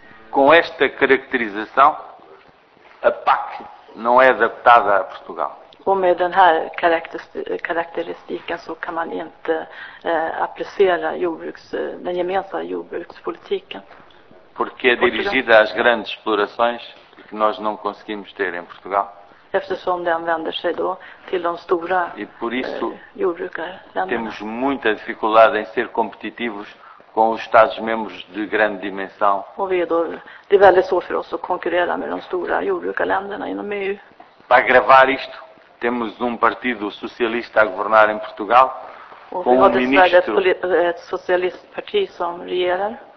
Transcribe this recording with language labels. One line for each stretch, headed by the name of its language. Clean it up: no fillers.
Portuguese: Com esta caracterização, a PAC não é adaptada a Portugal.
Swedish: Och med den här karaktäristiken så kan man inte applicera den gemensamma jordbrukspolitiken.
Portuguese: Porque é dirigida às grandes explorações que nós não conseguimos ter em Portugal.
Swedish: Eftersom den vänder sig då till de stora jordbrukarländerna.
Portuguese: Temos muita dificuldade em ser competitivos com os Estados-membros de grande dimensão.
Swedish: Och det är väldigt svårt för oss att konkurrera med de stora jordbrukarländerna inom EU.
Portuguese: Para agravar isto, temos partido socialista a governar em Portugal.
Swedish: Och vi har dessvärre ett socialistparti som regerar.